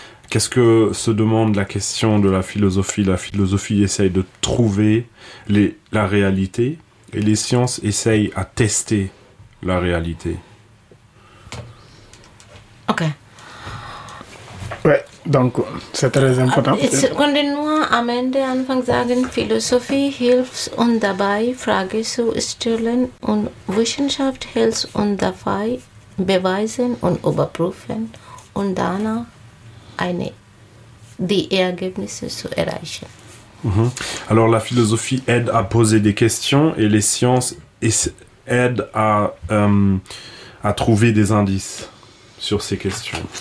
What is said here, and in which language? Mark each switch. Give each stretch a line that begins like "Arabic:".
French: Qu'est-ce que se demande la question de la philosophie ? La philosophie essaye de trouver la réalité et les sciences essayent à tester la réalité. Ok. Ouais, donc c'est très important. Quand nous avons dit au début,
German: philosophie hilft uns dabei, Fragen zu stellen und Wissenschaft hilft uns dabei, beweisen und überprüfen und danach die Ergebnisse zu erreichen.
French: Alors la philosophie aide à poser des questions et les sciences aident à trouver des indices sur ces questions.